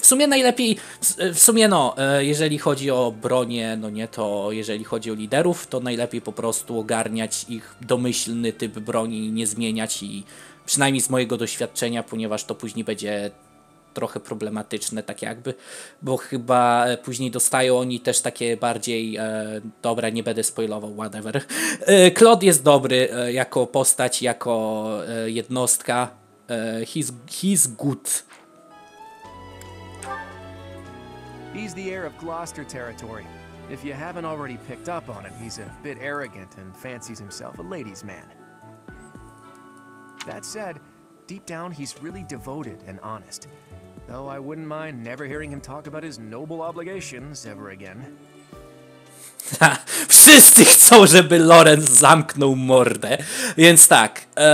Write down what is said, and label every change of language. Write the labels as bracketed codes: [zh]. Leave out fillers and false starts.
[pl] W sumie najlepiej, w sumie no jeżeli chodzi o bronię, no nie, to jeżeli chodzi o liderów, to najlepiej po prostu ogarniać ich domyślny typ broni, nie zmieniać, i przynajmniej z mojego doświadczenia, ponieważ to później będzie trochę problematyczne, tak jakby, bo chyba później dostają oni też takie bardziej... dobra, nie będę spoilował, whatever. Claude jest dobry jako postać, jako jednostka. [en] He's good. He's the heir of Gloucester territory. If you haven't already picked up on him, he's a bit arrogant and fancies himself a ladies man. That said, deep down he's really devoted and honest. Though I wouldn't mind never hearing him talk about his noble obligations ever again. [pl] Wszyscy chcą, żeby Lorenz zamknął mordę. Więc tak.